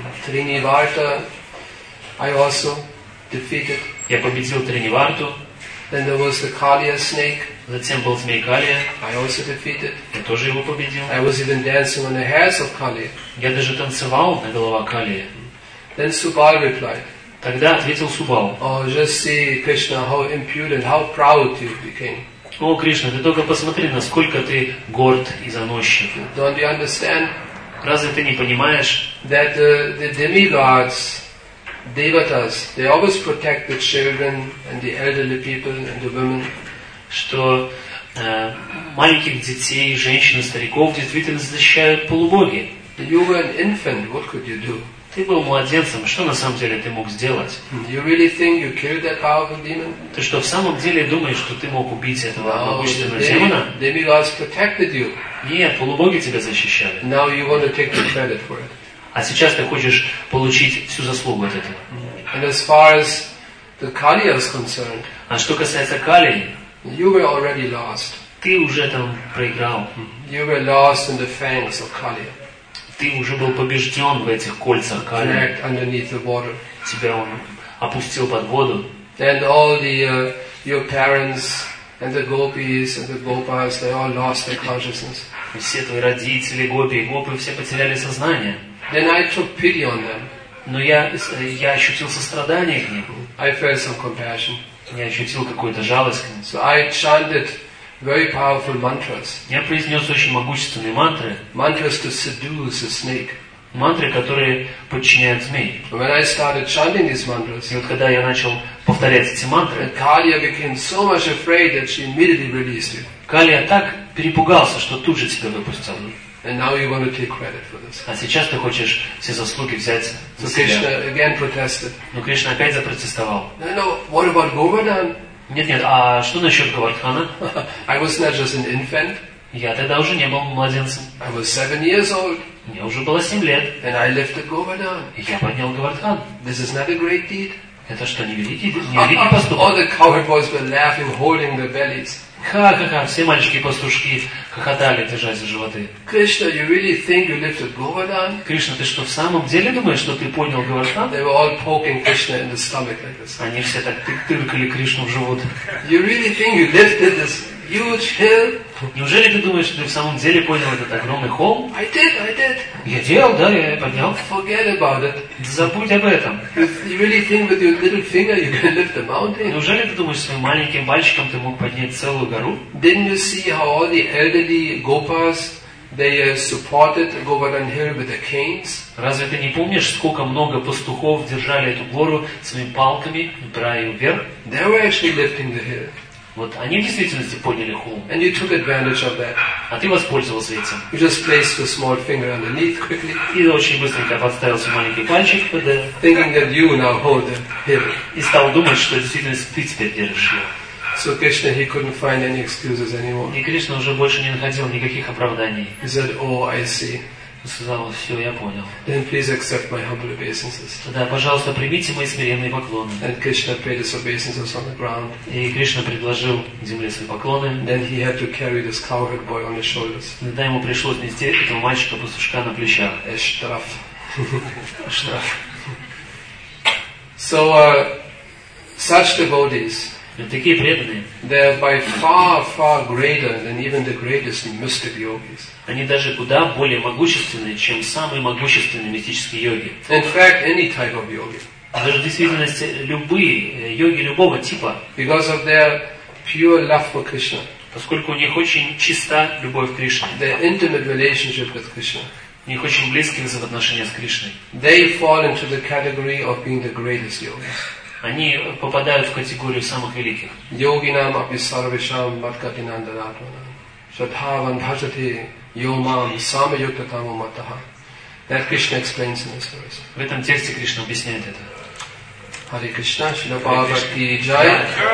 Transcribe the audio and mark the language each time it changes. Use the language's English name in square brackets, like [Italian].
[English] Триниварта, I also defeated. [Russian] Я победил Триниварту. [English] Then there was the Калия snake. [Russian] Затем был змей Калия. [English] I also defeated. [Russian] Я тоже его победил. [English] I was even dancing on the heads of Калия. [Russian] Я даже танцевал на голова Калия. [English] Then Subal replied. [Russian] Тогда ответил Субал. [English] Oh, just see, Krishna, how impudent, how proud you became. [Russian] О, Кришна, ты только посмотри, насколько ты горд и заносчив. [English] Don't you understand? [Russian] Разве ты не понимаешь? [English] That the demigods, devatas, they always protect the children and the elderly people and the women. [Russian] Что маленьких детей, женщин, стариков действительно защищают полубоги. [English] You were an infant, what could you do? [Russian] Ты был младенцем, что на самом деле ты мог сделать? [English] You really think you killed that powerful demon? [Russian] Ты что, в самом деле думаешь, что ты мог убить этого могущественного демона? [English] Demigods protected you. [Russian] Нет, полубоги тебя защищали. [English] Now you want to take the credit for it. [Russian] А сейчас ты хочешь получить всю заслугу от этого. [English] And as far as the Kali is concerned, [Russian] а что касается Калии, [English] you were already lost. [Russian] Ты уже там проиграл. [English] You were lost in the fangs of Kali. [Russian] Ты уже был побежден в этих кольцах Кали. [English] Dragged underneath the water. [Russian] Тебя он опустил под воду. [English] And all the your parents and the gopis and the gopas, they all lost their consciousness. [Russian] Все твои родители, гопи и гопы, все потеряли сознание. [English] Then I took pity on them. [Russian] Но я ощутил сострадание к ним. [English] I felt some compassion. [Russian] Я ощутил какую-то жалость к ним. [English] So I chanted very powerful mantras. [Russian] Я произнес очень могущественные мантры. [English] Mantras to seduce a snake. [Russian] Мантры, которые подчиняют змей. [English] When I started chanting these mantras, [Russian] и вот когда я начал повторять эти мантры, [English] Kali became so much afraid that she immediately released it. [Russian] Kali так перепугался, что тут же тебя выпустил. [English] And now you want to take credit for this. [Russian] А сейчас ты хочешь все заслуги взять за себя. [English] Krishna again protested. [Russian] Но Кришна опять запротестовал. [English] No, no. What about Govardhan? [Russian] Нет. А что насчет Говардхана? [English] I was not just an infant. [Russian] Я тогда уже не был младенцем. [English] I was 7 years old. [Russian] Мне уже было 7 лет. [English] And I lifted Govardhan. [Russian] И я поднял Говардхан. [English] This is not a great deed. [Russian] Это что, не великий поступок? [English] All the coward boys were laughing, holding their bellies. [Russian] Ха-ха-ха, все мальчики-пастушки хохотали, держась за животы. [English] Krishna, you really think you lifted Govardhan? [Russian] Кришна, ты что, в самом деле думаешь, что ты поднял Говардхан? [English] They were all poking Krishna in the stomach like this. [Russian] Они все так тыркали Кришну в живот. [English] You really think you lifted this huge hill? [Russian] Неужели ты думаешь, что ты в самом деле поднял этот огромный холм? [English] I did. [Russian] Я делал, да, я поднял. [English] Forget about it. [Russian] Забудь об этом. [English] You really think with your little finger you can lift a mountain? [Russian] Неужели ты думаешь, что своим маленьким пальчиком ты мог поднять целую гору? [English] Didn't you see how all the elderly gopas they supported Govardhan hill with their canes? [Russian] Разве ты не помнишь, сколько много пастухов держали эту гору своими палками, брая ее вверх? [English] They were actually lifting the hill. [Russian] Вот они в действительности подняли холм. [English] And you took advantage of that. [Russian] А ты воспользовался этим. [English] You just placed your small finger underneath quickly. [Russian] И очень быстренько подставил свой маленький пальчик под это. [English] Thinking that you now hold the hill. [Russian] И стал думать, что в действительности ты теперь держишь его. [English] So Krishna, he couldn't find any excuses anymore. [Russian] И Кришна уже больше не находил никаких оправданий. [English] He said, oh, I see. [Russian] Он сказал, все, я понял. [English] Then please accept my humble obeisances. [Russian] Тогда, пожалуйста, примите мои смиренные поклоны. [English] And Krishna paid his obeisances on the ground. [Russian] И Кришна предложил земле свои поклоны. [English] Then he had to carry this cowherd boy on his shoulders. [Russian] Тогда ему пришлось нести этого мальчика-пастушка на плечах. A штраф. Штраф. [English] So, such devotees, [Russian] такие преданные, [English] they are by far, far greater than even the greatest mystic yogis. [Russian] Они даже куда более могущественны, чем самые могущественные мистические йоги. [English] In fact, any type of yogi. [Russian] Даже в действительности любые йоги любого типа. [English] Because of their pure love for Krishna. [Russian] Поскольку у них очень чиста любовь к Кришне. [English] Their intimate relationship with Krishna. [Russian] У них очень близкие взаимоотношения с Кришной. [English] They fall into the category of being the greatest yogis. [Russian] Они попадают в категорию самых великих. [Sanskrit] Йогинам аписарвишам баткатинандаратвана. Шатхаван бхажати йомам сама йоктатаму матаха. [English] That Krishna explains in this verse. [Russian] В этом тексте Кришна объясняет это. [Sanskrit] Hare Krishna, Шрила Бхагавати Джай.